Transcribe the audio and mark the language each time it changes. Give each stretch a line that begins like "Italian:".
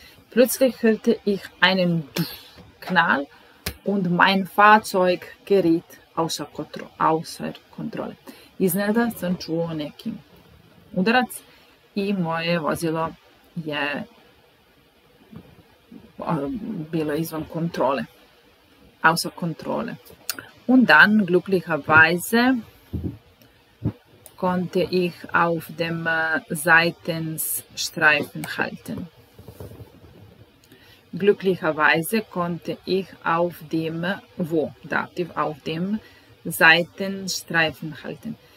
German: Plötzlich hörte ich einen Knall und mein Fahrzeug geriet außer Kontrolle.
Serbian: Iznenada sam čuo neki udarac i moje vozilo je bilo izvan kontrole.
German: Außer Kontrolle. Und dann, glücklicherweise, konnte ich auf dem Seitenstreifen halten. Glücklicherweise konnte ich auf dem, wo, Dativ, auf dem Seitenstreifen halten.